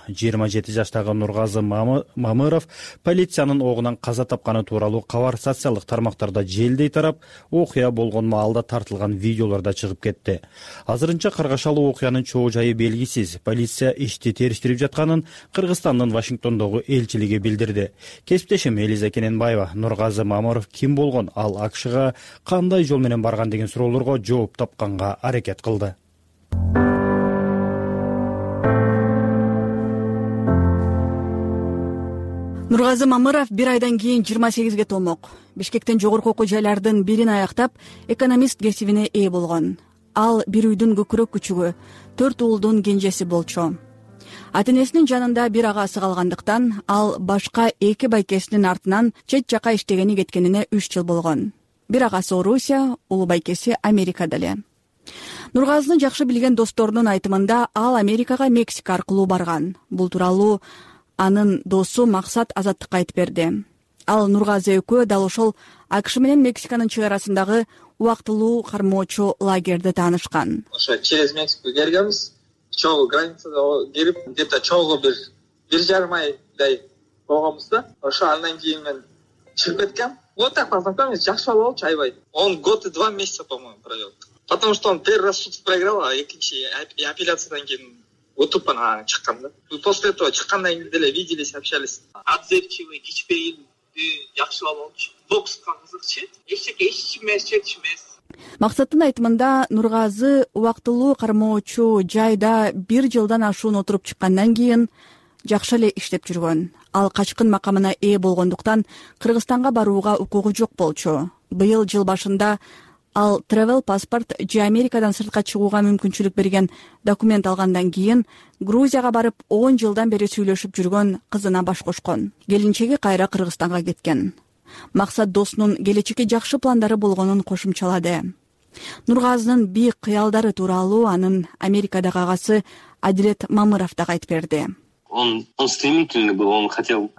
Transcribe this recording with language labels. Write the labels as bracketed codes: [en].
[ky] 27 жаштагы Нургазы Мамыров полициянын огунан каза тапканы тууралуу кабар социалдык тармактарда желдей тарап, окуя болгон маалда тартылган видеолор да чыгып кетти. Азырынча каргашалуу окуянын чоо жайы белгисиз. Полиция ишти териштирип жатканын Кыргызстандын Вашингтондогу элчилиги билдирди. Кесиптешим Элиза Кененбаева: Нургазы Мамыров ким болгон? Ал АКШга кандай жол менен барган деген суроолорго жооп тапканга аракет кылды. Нургазы Мамыров бир айдан кийин 28-ге толмок. Бишкектен жогорку окуу жайлардын бирин аяктап, экономист кесибине ээ болгон. Ал бир үйдүн көкүрөк күчүгү, 4 уулдун кенжеси болчу. Ата энесинин жанында бир агасы калгандыктан, ал башка 2 байкесинин артынан чет жака иштегени кеткенине 3 жыл болгон. Бир агасы Орусия, улуу байкеси Америкада эле. Нургазыны жакшы билген досторунун айтымында, ал Америкага Мексика аркылуу барган. Бул тууралуу анын досу Максат Азаттыкка айтып берди. Ал Нургазы экөө дал ошол АКШ менен Мексиканын чек арасындагы убактылуу кармоочу лагерди таанышкан. Ошо [ru] через Мексику [ky] келгенбиз. Чогу границада кирип, [ru] где-то [ky] чогу бир жарым айдай болгонбуз да. Ошо андан кийин мен чыгып кеткем. [ru] Вот так познакомились, [ky] жакшы бала болчу, аябай. [ru] Он 1 год и 2 месяца, по-моему, провел. Потому что он первый раз суд проиграл, а [ky] экинчи апелляциядан кийин утуп ана чыккан да. [ru] После этого [ky] чыккандан кийин деле [ru] виделись, общались. Отзывчивый, [ky] кичпейилдүү, жакшы бала болчу. Бокска кызыкчы. Эшикке эч эмес, чеч эмес. Максаттын айтымында Нургазы убактылуу кармоочу жайда 1 жылдан ашуун отуруп чыккандан кийин жакшы эле иштеп жүргөн. Ал качкын макамына ээ болгондуктан Кыргызстанга барууга укугу жок болчу. Быйыл жыл башында ал travel паспорт же Америкадан сыртка чыгууга мүмкүнчүлүк берген документ алгандан кийин Грузияга барып 10 жылдан бери сүйлөшүп жүргөн кызына баш кошкон. Келинчеги кайра Кыргызстанга кеткен. Максат досунун келечекке жакшы пландары болгонун кошумчалады. Нургазынын бийик кыялдары тууралуу анын Америкадагы агасы Адилет Мамыров да айтып берди. [ru] он стремительный был, он хотел.